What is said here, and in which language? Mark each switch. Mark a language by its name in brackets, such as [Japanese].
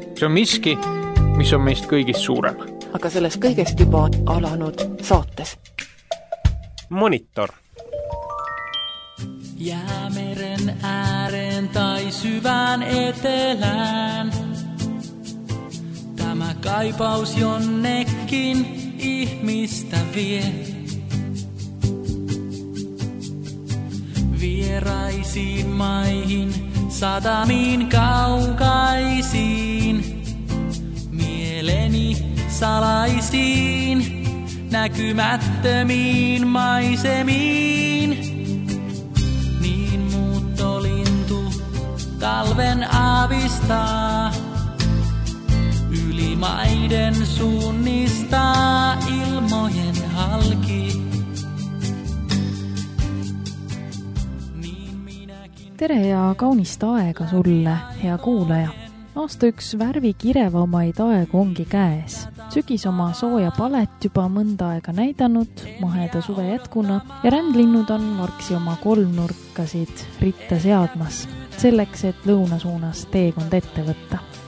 [Estonian] See on miski, mis on meist kõigist suurem. Aga sellest kõigest juba alanud saates. Monitor. [Finnish] Jäämeren ääreen tai syvään etelään. Tämä kaipaus jonnekin ihmistä vie. Vieraisiin maihin, satamiin kaukaisiin, mieleni salaisiin, näkymättömiin maisemiin. Niin muuttolintu talven aavistaa, yli maiden suunnistaa ilmojen halki. [Estonian] Tere ja kaunist aega sulle, hea kuulaja! Aasta üks värvi kirevamaid aeg ongi käes. Sügis oma sooja palet juba mõnda aega näidanud, maheda suve jätkuna ja rändlinnud on varksi oma kolmnurkasid ritta seadmas, selleks, et lõunasuunas teekond ette võtta.